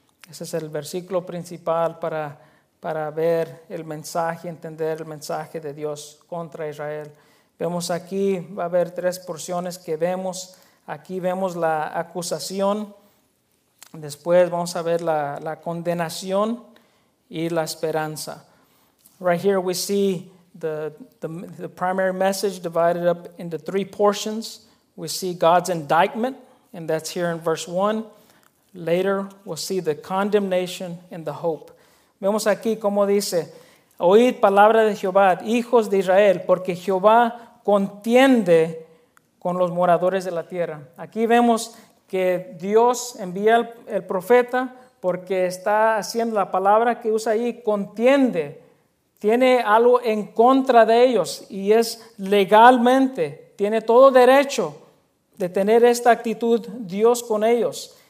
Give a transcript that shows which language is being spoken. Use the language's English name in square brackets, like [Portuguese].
[Spanish] Ese es el versículo principal para ver el mensaje, entender el mensaje de Dios contra Israel. Vemos aquí, va a haber tres porciones que vemos. Aquí vemos la acusación, después vamos a ver la condenación y la esperanza. [English] Right here we see the primary message divided up into three portions. We see God's indictment, and that's here in verse 1. Later we'll see the condemnation and the hope. [Spanish] Vemos aquí como dice, oíd palabra de Jehová, hijos de Israel, porque Jehová contiende con los moradores de la tierra. Aquí vemos que Dios envía el profeta porque está haciendo la palabra que usa ahí, contiende, tiene algo en contra de ellos y es legalmente, tiene todo derecho de tener esta actitud Dios con ellos.